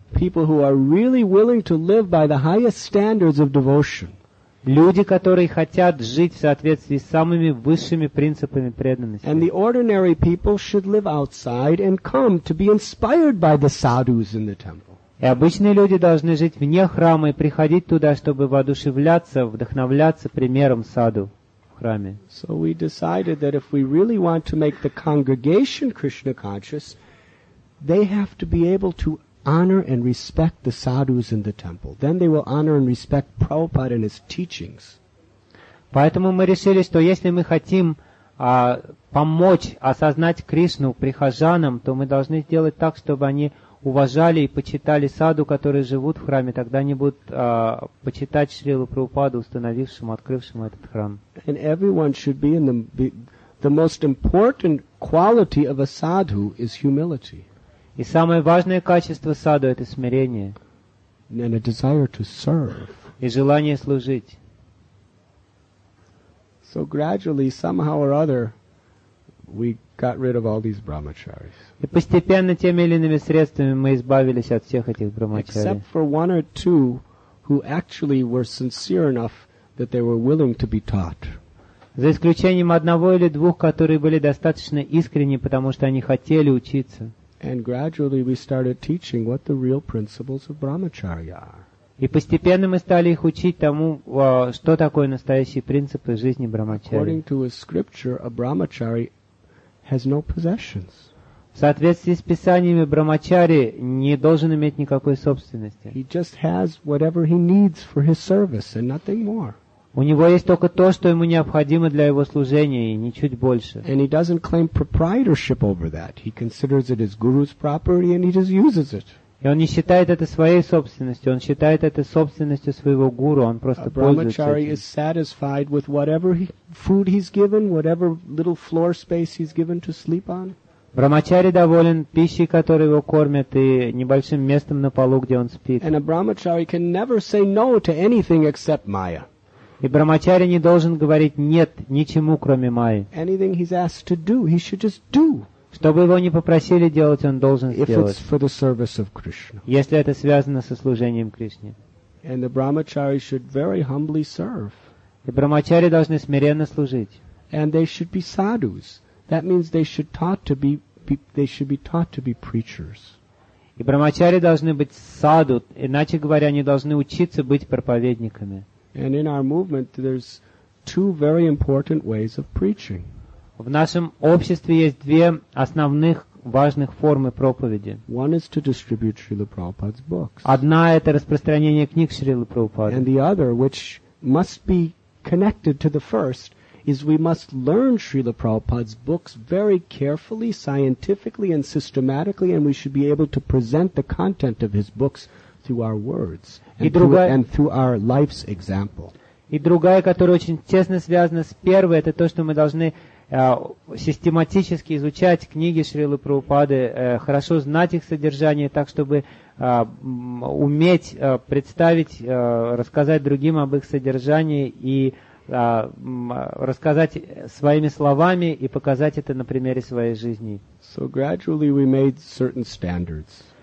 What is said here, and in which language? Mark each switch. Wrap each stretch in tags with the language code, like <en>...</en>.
<en>people who are really willing to live by the highest standards of devotion.</en> <ru>Люди, которые хотят жить в соответствии с самыми высшими принципами преданности.</ru> <en>And the ordinary people should live outside and come to be inspired by the sadhus in the temple.</en> <ru>И обычные люди должны жить вне храма и приходить туда, чтобы воодушевляться, вдохновляться примером саду в храме.</ru> <en>So we decided that if we really want to make the congregation Krishna conscious, they have to be able to honor and respect the sadhus in the temple. Then they will honor and respect Prabhupada and his teachings.</en> <ru>Поэтому мы решили, что если мы хотим помочь осознать Кришну прихожанам, то мы должны сделать так, чтобы они уважали и почитали саду, которые живут в храме. Тогда они будут почитать Шрилу Прабхупаду, установившему, открывшему этот храм.</ru> <en>And everyone should be in the most important quality of a sadhu is humility.</en> <ru>И самое важное качество саду — это смирение.</ru> <en>And a desire to serve.</en> <ru>И желание служить.</ru> <en>So gradually, somehow or other, we got rid of all these brahmacharis.</en> <ru>И постепенно, теми или иными средствами, мы избавились от всех этих брахмачари.</ru> <en>Except for one or two who actually were sincere enough that they were willing to be taught.</en> <ru>За исключением одного или двух, которые были достаточно искренни, потому что они хотели учиться.</ru> <en>And gradually we started teaching what the real principles of brahmacharya are.</en> <ru>И постепенно мы стали их учить тому, что такое настоящие принципы жизни брахмачари.</ru> <en>According to a scripture, a brahmachari has no possessions.</en> <ru>В соответствии с писаниями, брахмачари не должен иметь никакой собственности.</ru> <en>He just has whatever he needs for his service and nothing more.</en> <ru>У него есть только то, что ему необходимо для его служения, и ничуть больше.</ru> <en>And he doesn't claim proprietorship over that. He considers it his guru's property, and he just uses it.</en> <ru>И он не считает это своей собственностью. Он считает это собственностью своего гуру. Он просто пользуется этим.</ru> <en>Brahmachari is satisfied with whatever food he's given, whatever little floor space he's given to sleep on.</en> <ru>Брахмачари доволен пищей, которую его кормят, и небольшим местом на полу, где он спит.</ru> <en>And a brahmachari can never say no to anything except Maya.</en> <ru>И брахмачари не должен говорить «нет» ничему, кроме Майи.</ru> <en>Anything he's asked to do, he should just do.</en> <ru>Что бы его ни попросили делать, он должен</ru> <en>if</en> <ru>сделать.</ru> <en>It's for the service of Krishna.</en> <ru>Если это связано со служением Кришне.</ru> <en>And the brahmachari should very humbly serve.</en> <ru>И брахмачари должны смиренно служить.</ru> <en>And they should be sadhus. That means they should taught to be, they should be taught to be preachers.</en> <ru>И брахмачари должны быть саду, иначе говоря, они должны учиться быть проповедниками.</ru> <en>And in our movement, there's two very important ways of preaching.</en> <ru>В нашем обществе есть две основных важных формы проповеди.</ru> <en>One is to distribute Srila Prabhupada's books.</en> <ru>Одна — это распространение книг Шрилы Прабхупады.</ru> <en>And the other, which must be connected to the first, is we must learn Srila Prabhupada's books very carefully, scientifically, and systematically, and we should be able to present the content of his books through our words. And through our life's example.</en> <ru>И другая, которая очень тесно связана с первой, это то, что мы должны систематически изучать книги Шрилы Прабхупады, хорошо знать их содержание, так чтобы уметь представить, рассказать другим об их содержании и рассказать своими словами и показать это на примере своей жизни.</ru> <en>So gradually we made certain standards.</en>